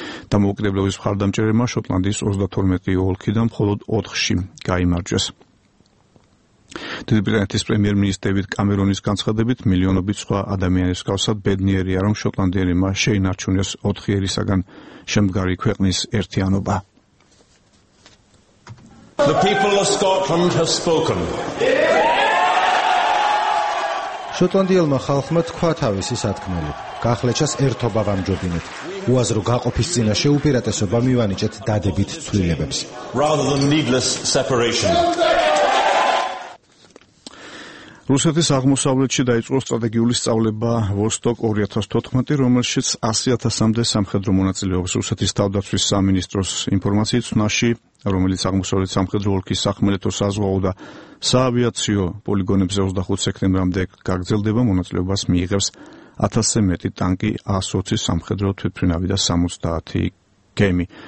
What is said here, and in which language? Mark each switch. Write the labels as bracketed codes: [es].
[ka] დამოუკიდებლობის მხარდამჭერებმა შოტლანდიის 32 ოლქიდან მხოლოდ 4-ში გაიმარჯვეს. დიდი ბრიტანეთის პრემიერ-მინისტრ დევიდ კამერონის განცხადებით, მილიონობით სხვა ადამიანის მსგავსად ბედნიერია, რომ შოტლანდიელებმა შეინარჩუნეს 4-ერისაგან შემდგარი ქვეყნის ერთიანობა. [en] The people of Scotland have spoken. [ka] შოტლანდიელმა ხალხმა თქვა თავისი სათქმელი. გახლეჩას ერთობა ვამჯობინეთ. უაზრო გაყოფის წინაშე უპირატესობა მივანიჭეთ დადებით ცვლილებებს. [en] Rather than needless separation. [ka] რუსეთის აღმოსავლეთში დაიწყო სტრატეგიული სწავლება ვოსტოკ 2014, რომელშიც 100,000-მდე სამხედრო მონაწილეობს. რუსეთის თავდაცვის სამინისტროს ინფორმაციით, ნაში, რომელიც აღმოსავლეთ სამხედრო ოლქის სახმელეთო საზღვაო და საავიაციო პოლიგონებზე 25 სექტემბრამდე გაგრძელდება, მონაწილეობას მიიღებს 1000-ზე მეტი ტანკი, 120 სამხედრო თვითმფრინავი და 70 გემი.